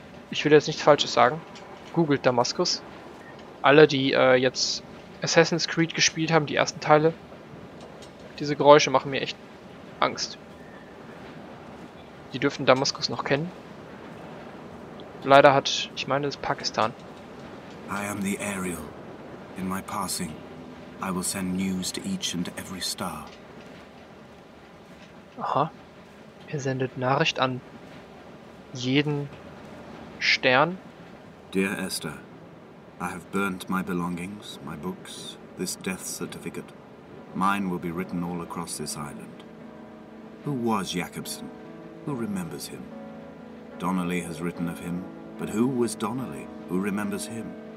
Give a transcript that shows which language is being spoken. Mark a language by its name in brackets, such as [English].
[German] Ich will jetzt nichts Falsches sagen. Googelt Damaskus. Alle, die jetzt... Assassin's Creed gespielt haben, die ersten Teile. Diese Geräusche machen mir echt Angst. Die dürften Damaskus noch kennen. Leider hat, ich meine, das ist Pakistan. [English] I am the Ariel. In my passing, I will send news to each and every star. Aha. [German] Er sendet Nachricht an jeden Stern. [English] Dear Esther, I have burnt my belongings, my books, this death certificate. Mine will be written all across this island. Who was Jakobsen? Who remembers him? Donnelly has written of him, but who was Donnelly? Who remembers him?